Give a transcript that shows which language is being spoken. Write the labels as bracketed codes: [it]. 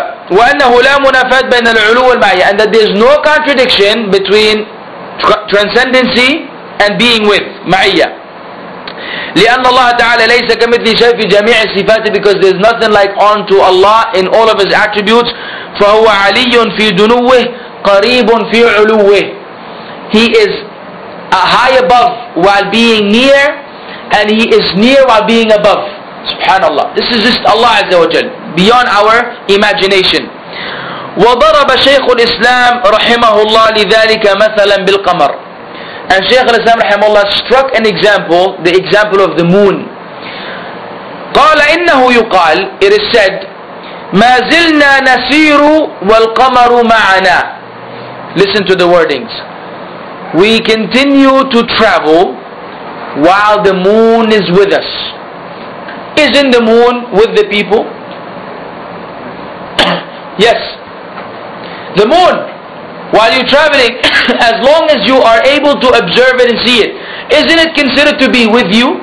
[ar] وأنه لا منافاة بين العلو والمعية. [en] And that there is no contradiction between transcendency and being with, ma'iyya. [ar] لأن الله تعالى ليس كمثل شيء في جميع صفاته, [en] because there is nothing like unto Allah in all of His attributes. [ar] فهو علي في دنوه قريب في علوه. [en] He is high above while being near, and He is near while being above. Subhanallah. This is just Allah Azza wa Jal, beyond our imagination. [ar] وضرب شيخ الإسلام رحمه الله لذلك مثلا بالقمر. [en] And Shaykh al-Islam [ar] رحمه الله [en] struck an example, the example of the moon. [ar] قال إنه يقال, [en] it is said, [ar] ما زلنا نسير والقمر معنا. [en] Listen to the wordings. We continue to travel while the moon is with us. Isn't the moon with the people? Yes. The moon. While you're traveling, as long as you are able to observe it and see it, isn't it considered to be with you?